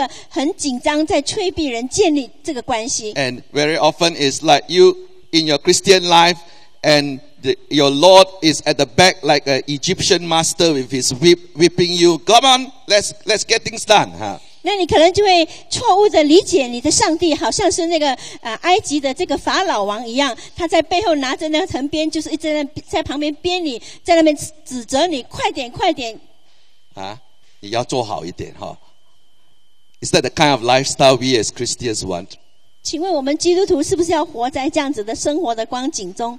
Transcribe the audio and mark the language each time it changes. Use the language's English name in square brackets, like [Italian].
[Chinese] 那我们也是一个在我们的关系上也是一个很紧张在催逼人建立这个关系。 [English] And very often it's like you in your Christian life, and your Lord is at the back like an Egyptian master with his whip whipping you. Come on, let's get things done. Huh? [Chinese] 那你可能就会错误的理解你的上帝好像是那个埃及的这个法老王一样，他在背后拿着那个藤鞭，就是一直在旁边鞭你，在那边指责你，快点快点。啊，你要做好一点哈。 [English] Is that the kind of lifestyle we as Christians want? [Chinese] 请问我们基督徒是不是要活在这样子的生活的光景中？